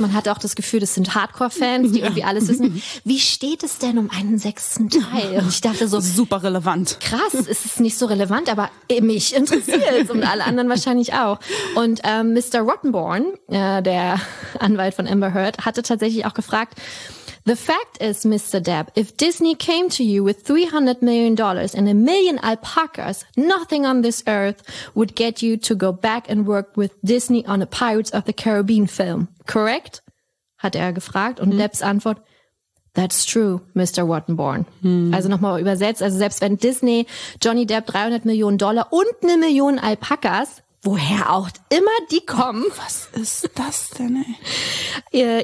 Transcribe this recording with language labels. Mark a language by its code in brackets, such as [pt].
[de] Man hatte auch das Gefühl, das sind Hardcore-Fans, die irgendwie alles wissen. Wie steht es denn um einen sechsten Teil? Und ich dachte so, super relevant. Krass, es ist nicht so relevant, aber mich interessiert es und alle anderen wahrscheinlich auch. Und Mr. Rottenborn, der Anwalt von Amber Heard, hatte tatsächlich auch gefragt, [en] The fact is, Mr. Depp, if Disney came to you with $300 million and a million alpacas, nothing on this earth would get you to go back and work with Disney on a Pirates of the Caribbean film, correct? [de] Hat er gefragt und Depps Antwort, [en] that's true, [de] Mr. Wattenborn. Also nochmal übersetzt, also selbst wenn Disney Johnny Depp $300 million und eine Million Alpakas, woher auch immer die kommen. Was ist das denn, ey?